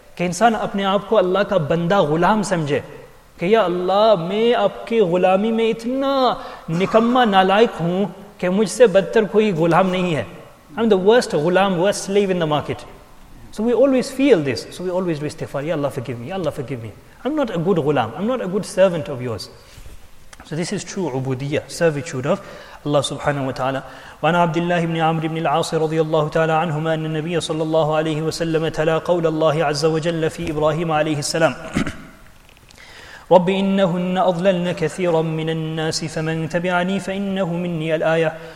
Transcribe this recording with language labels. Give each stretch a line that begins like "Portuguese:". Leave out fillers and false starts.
Urdu: کہ انسان اپنے آپ کو اللہ کا بندہ غلام سمجھے کہ یا اللہ میں آپ کی غلامی میں اتنا نکمہ نالائق ہوں کہ مجھ سے بدتر کوئی غلام نہیں ہے.
English: I'm the worst غلام, worst slave in the market. So we always feel this. So we always do istighfar. Ya Allah forgive me, ya Allah forgive me. I'm not a good غلام, I'm not a good servant of yours. So this is true عبودية, servitude of Allah subhanahu wa ta'ala.
Arabic: وعن عبد الله بن عمرو بن العاص رضي الله تعالى عنهما أن النبي صلى الله عليه وسلم تلا قول الله عز وجل في إبراهيم عليه السلام رب إنهن أضللن كثيرا من الناس فمن تبعني فإنه مني الآية.